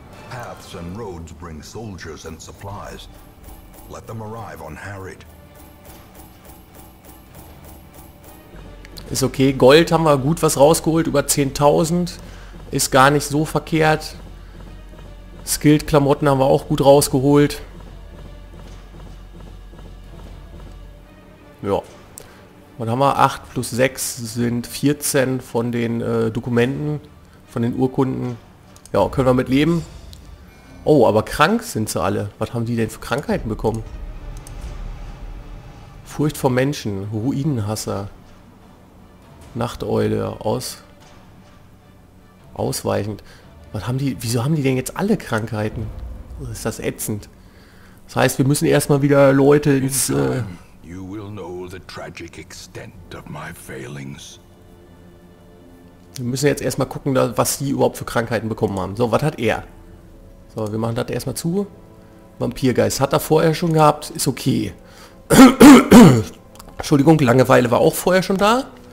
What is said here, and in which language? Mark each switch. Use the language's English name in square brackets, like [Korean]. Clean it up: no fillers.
[English] Paths and roads bring soldiers and supplies. Let them arrive on Harrod. [German] Ist okay. Gold haben wir gut was rausgeholt. Über 10.000. Ist gar nicht so verkehrt. Skilled-Klamotten haben wir auch gut rausgeholt. Ja. Was haben wir? 8 plus 6 sind 14 von den Dokumenten. Von den Urkunden. Ja, können wir mit leben. Oh, aber krank sind sie alle. Was haben die denn für Krankheiten bekommen? Furcht vor Menschen, Ruinenhasser, Nachteule, ausweichend. Was haben die, wieso haben die denn jetzt alle Krankheiten? Ist das ätzend. Das heißt, wir müssen erstmal wieder Leute ins... [English] You will know the tragic extent of my failings. [German] Wir müssen jetzt erstmal gucken, was die überhaupt für Krankheiten bekommen haben. So, was hat er? So, wir machen das erstmal zu. Vampirgeist hat er vorher schon gehabt, ist okay. Entschuldigung, Langeweile war auch vorher schon da.